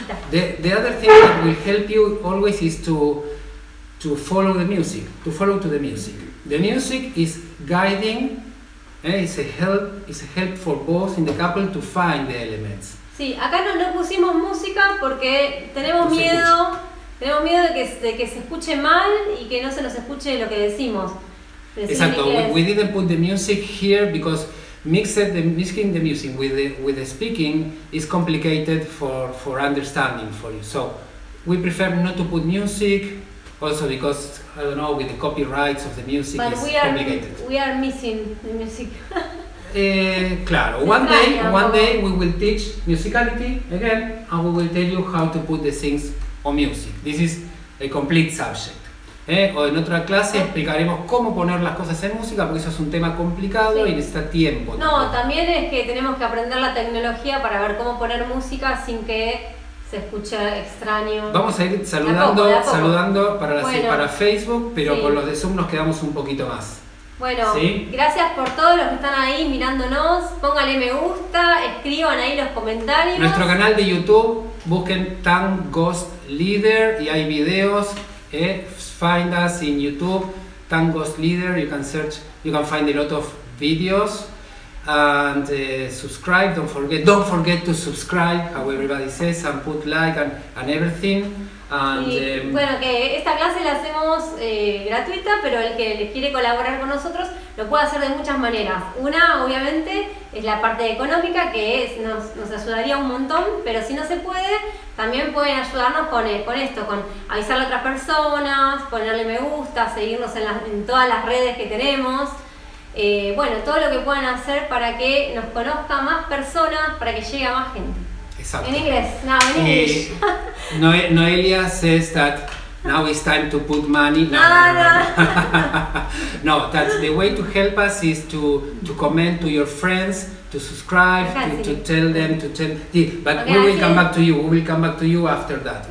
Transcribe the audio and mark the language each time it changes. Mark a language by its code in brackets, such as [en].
[en] The other thing that will help you always is to follow the music, to follow to the music. The music is guiding. It's a help for both in the couple to find the elements. [es] Sí, acá no pusimos música porque tenemos miedo de que se escuche mal y que no se nos escuche lo que decimos. Exacto. [en] We didn't put the music here because mixing the music with the speaking is complicated for understanding for you. So we prefer not to put music. Also because, I don't know, with the copyrights of the music, but it's complicated. We are missing the music. [es] claro, [en] one day we will teach musicality again, and we will tell you how to put the things on music. This is a complete subject. [es] O en otra clase explicaremos cómo poner las cosas en música, porque eso es un tema complicado y necesita tiempo. No, también es que tenemos que aprender la tecnología para ver cómo poner música sin que se escucha extraño. Vamos a ir saludando, para Facebook, pero con los de Zoom nos quedamos un poquito más. Bueno, gracias por todos los que están ahí mirándonos. Pónganle me gusta, escriban ahí los comentarios. Nuestro canal de YouTube, busquen Tang Ghost Leader y hay videos. [en] Find us in YouTube, Tang Ghost Leader. You can find a lot of videos. And subscribe, don't forget to subscribe, how everybody says, and put like and everything. And, [es] sí. Bueno, que esta clase la hacemos gratuita, pero el que quiere colaborar con nosotros lo puede hacer de muchas maneras. Una, obviamente, es la parte económica, que es, nos ayudaría un montón, pero si no se puede, también pueden ayudarnos con esto, con avisarle a otras personas, ponerle me gusta, seguirnos en todas las redes que tenemos. Bueno, todo lo que puedan hacer para que nos conozca más personas, para que llegue a más gente. Exacto. En inglés. No, en inglés. [en] Noelia says that now it's time to put money. No. No, that's the way to help us is to comment to your friends, to subscribe, to tell them. We will come back to you. We will come back to you after that.